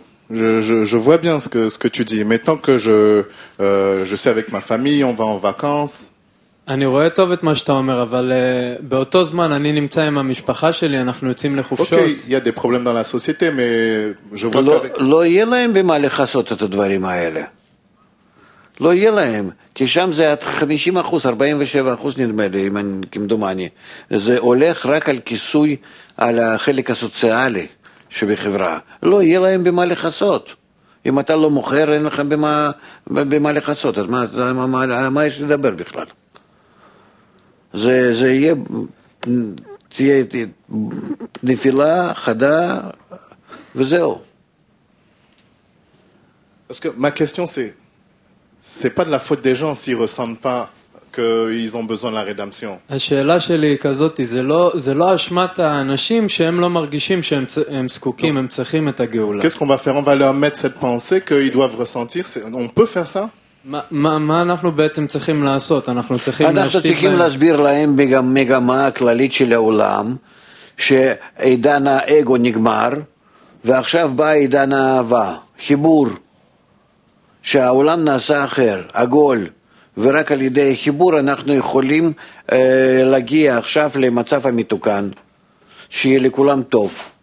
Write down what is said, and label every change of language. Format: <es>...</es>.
<fr>Je vois bien ce que tu dis. Maintenant que je suis avec ma famille, on va en vacances.</fr> <he>אני רואה טוב את מה שאתה אומר, אבל באותו זמן אני נמצא עם המשפחה שלי, אנחנו יוצאים לחופשות. אוקיי, יש</he> <fr>des problèmes dans la société, mais je vois</fr> <he>que לא יהיה להם במה לחסות את הדברים האלה. לא יהיה להם, כי שם זה 50%, 47% נדמה לי, אם אני כמדומני. זה הולך רק על כיסוי, על החלק הסוציאלי. שבחברה. לא, יהיה להם במה לחסות. אם אתה לא מוכר, אין לכם במה לחסות. אז מה יש לדבר בכלל? זה יהיה, תהיה נפילה, חדה, וזהו.</he> <fr>Parce que ma question c'est pas de la faute des gens s'ils ressentent pas qu'ils ont besoin de la rédemption.</fr> <he>השאלה שלי כזאת, זה לא אשמת האנשים שהם לא מרגישים שהם זקוקים, הם צריכים את הגאולה.</he> <fr>Qu'est-ce qu'on va faire? On va leur mettre cette pensée qu'ils doivent ressentir. On peut faire ça?</fr> <he>מה אנחנו בעצם צריכים לעשות? אנחנו צריכים להשתיק להם. אנחנו צריכים להסביר להם מגמה הכללית של העולם, שעידן האגו נגמר, ועכשיו בא עידן האהבה, חיבור, שהעולם נעשה אחר, עגול, ורק על ידי חיבור אנחנו יכולים להגיע עכשיו למצב המתוקן, שיהיה לכולם טוב.</he>